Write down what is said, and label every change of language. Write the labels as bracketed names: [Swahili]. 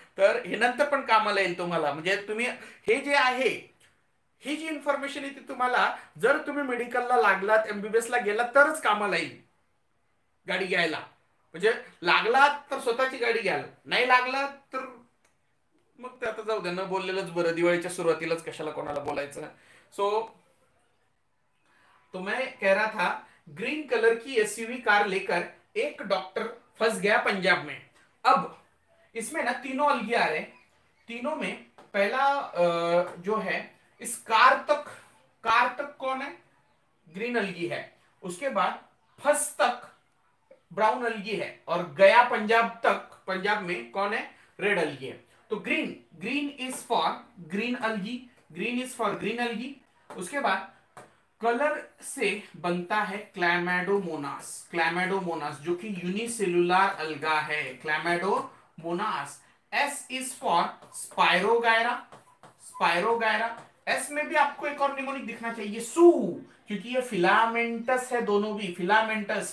[Marathi] तर हे नंतर पण कामाला येईल तुम्हाला. म्हणजे तुम्ही हे जे आहे, ही जी इन्फॉर्मेशन येते तुम्हाला, जर तुम्ही मेडिकलला लागलात, MBBS ला गेला, तरच कामाला येईल गाडी घ्यायला. म्हणजे लागलात तर स्वतःची गाडी घ्याल, नाही लागला तर मग ते आता जाऊ द्यांना बोललेलंच बरं, दिवाळीच्या सुरुवातीलाच कशाला कोणाला बोलायचं. [Hindi] सो तुम्ही कह रहा था, ग्रीन कलर की SUV कार लेकर एक डॉक्टर फंस गया पंजाब में. अब इसमें ना तीनों अलग आ रहे, तीनों में पहला जो है इस कार तक कौन है, ग्रीन अलगी है. उसके बाद फंस तक ब्राउन अलगी है, और गया पंजाब तक पंजाब में कौन है, रेड अलगी है. [English] तो green is for green algae, green is for green algae. [Hindi] उसके बाद कलर से बनता है क्लैमेडोमोनास, क्लैमेडोमोनास जो कि यूनिसेलुलर अलगा है, क्लैमेडोमोनास. [English] S is for Spirogyra, Spirogyra. [Hindi] S में भी आपको एक और निमोनिक दिखना चाहिए, सू, क्योंकि ये फिलामेंटस है, दोनों भी फिलामेंटस.